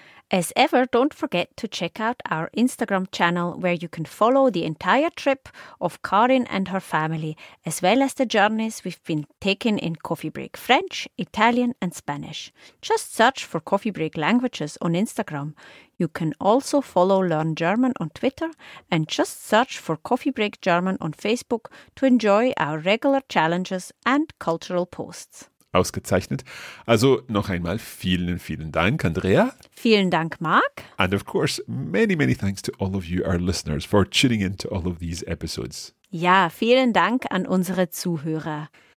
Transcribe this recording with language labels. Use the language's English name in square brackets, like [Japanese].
[English] As ever, don't forget to check out our Instagram channel, where you can follow the entire trip of Karin and her family, as well as the journeys we've been taking in Coffee Break French, Italian and Spanish. Just search for Coffee Break Languages on Instagram. You can also follow Learn German on Twitter and just search for Coffee Break German on Facebook to enjoy our regular challenges and cultural posts. [German] Ausgezeichnet. Also noch einmal vielen, vielen Dank, Andrea. Vielen Dank, Mark. [English] And of course, many, many thanks to all of you, our listeners, for tuning in to all of these episodes. [German] Ja, vielen Dank an unsere Zuhörer.